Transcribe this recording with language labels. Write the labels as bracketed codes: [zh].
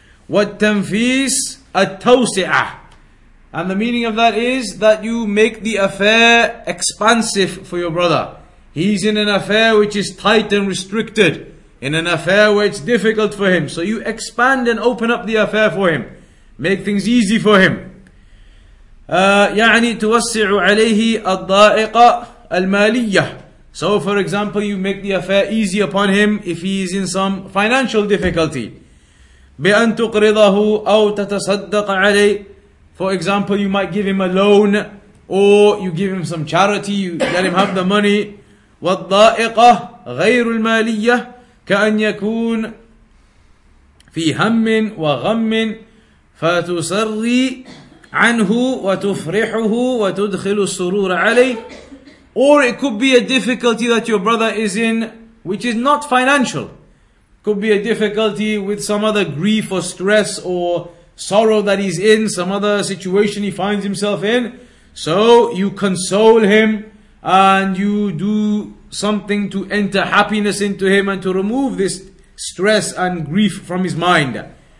[en] What tanfis at-tawsi'ah. And the meaning of that is that you make the affair expansive for your brother. He's in an affair which is tight and restricted, in an affair where it's difficult for him. So you expand and open up the affair for him. Make things easy for him. [ar] يعني توسع عليه الضائقة المالية. [en] So for example, you make the affair easy upon him if he is in some financial difficulty. [ar] بأن تقرضه أو تتصدق عليه. [en] For example, you might give him a loan, or you give him some charity, you let him have the money. [ar] والضائقة غير المالية كأن يكون في هم وغم فتسري عنه وتفرحه وتدخل السرور عليه. [en] Or it could be a difficulty that your brother is in which is not financial. Could be a difficulty with some other grief or stress or sorrow that he's in, some other situation he finds himself in. So you console him and you do something to enter happiness into him and to remove this stress and grief from his mind.